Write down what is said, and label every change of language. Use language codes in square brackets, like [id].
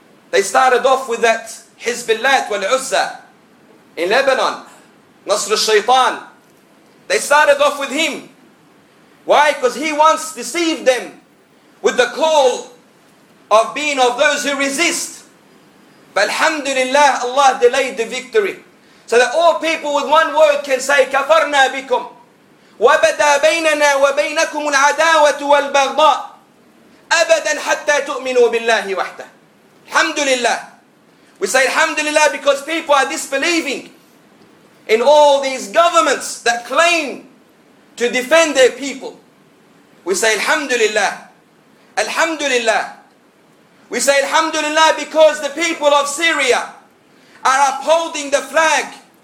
[en] They started off with that Hizbullah wal-Uzza in Lebanon, Nasr al-Shaytan. They started off with him. Why? Because he once deceived them with the call of being of those who resist. But alhamdulillah, Allah delayed the victory. So that all people with one word can say, [ar] كَفَرْنَا بِكُمْ وَبَدَى بَيْنَنَا وَبَيْنَكُمُ الْعَدَاوَةُ وَالْبَغْضَاءُ أَبَدًا حَتَّى تُؤْمِنُوا بِاللَّهِ وَحْدَهُ. [en] Alhamdulillah. We say alhamdulillah because people are disbelieving in all these governments that claim to defend their people. We say alhamdulillah. Alhamdulillah. We say alhamdulillah because the people of Syria are upholding the flag